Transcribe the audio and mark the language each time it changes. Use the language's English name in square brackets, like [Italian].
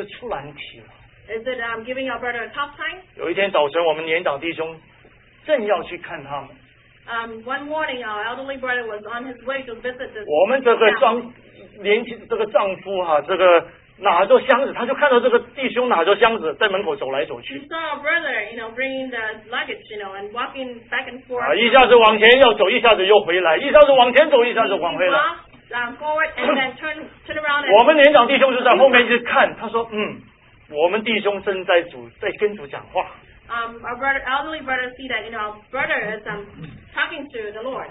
[Chinese] 你想这个是不是出难题了？ [English] Is it giving our brother a tough time? [Chinese] 有一天早晨，我们年长弟兄正要去看他们。 [English] One morning, our elderly brother was on his way to visit this. [Chinese] 我们这个庄。年轻这个丈夫哈，这个拿着箱子，他就看到这个弟兄拿着箱子在门口走来走去。 [English] He saw our brother, you know, bringing the luggage, you know, and walking back and forth. [Chinese] 一下子往前要走，一下子又回来，一下子往前走，一下子往回来。 [English] He walked forward and then turn around. [Chinese] 我们年长弟兄就在后面去看，他说，嗯，我们弟兄正在跟主讲话。 [English] Our brother, elderly brother, see that you know, our brother is talking to the Lord.